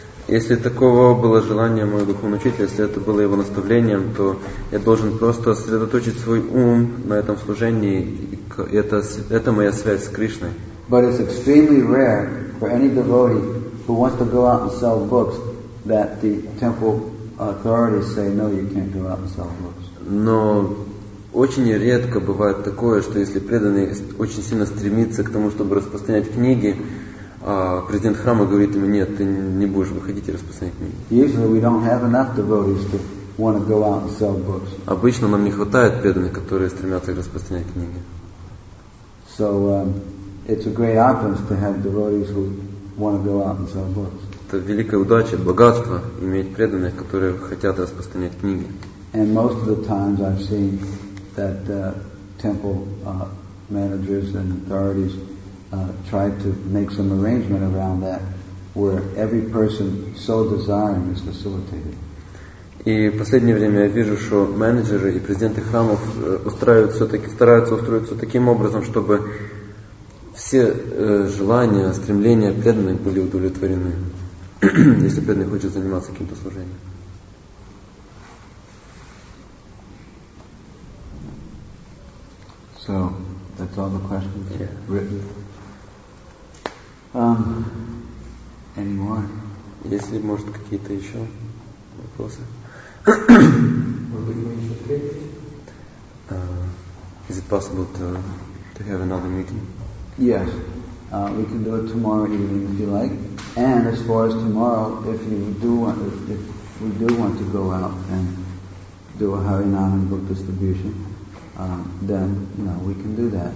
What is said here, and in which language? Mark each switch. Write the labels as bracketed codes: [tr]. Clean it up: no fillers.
[ru] Если такого было желание моего духовного учителя, если это было его наставлением, то я должен просто сосредоточить свой ум на этом служении. Это моя связь с Кришной. [en] But it's extremely rare for any devotee who wants to go out and sell books that the temple authorities say, no, you can't go out and sell books. [ru] Но очень редко бывает такое, что если преданный очень сильно стремится к тому, чтобы распространять книги, президент храма говорит ему, нет, ты не будешь выходить и распространять книги. [en] Usually we don't have enough devotees to want to go out and sell books. [ru] Обычно нам не хватает преданных, которые стремятся распространять книги. [en] So it's a great opportunity to have devotees who want to go out and sell books. [ru] Это великая удача, богатство иметь преданных, которые хотят распространять книги. [en] And most of the times I've seen that temple managers and authorities try to make some arrangement around that where every person so desiring is facilitated. [ru] И в последнее время я вижу, что менеджеры и президенты храмов устраивают все-таки, стараются устроить все таким образом, чтобы все желания, стремления преданных были удовлетворены, если преданный хочет заниматься каким-то служением. [en] So that's all the questions written. Any more? [ru] Если может какие-то еще вопросы. [en] Is it possible to have another meeting? Yes, we can do it tomorrow evening if you like. And as far as tomorrow, if we do want to go out and do a Harinam and book distribution, then you know we can do that.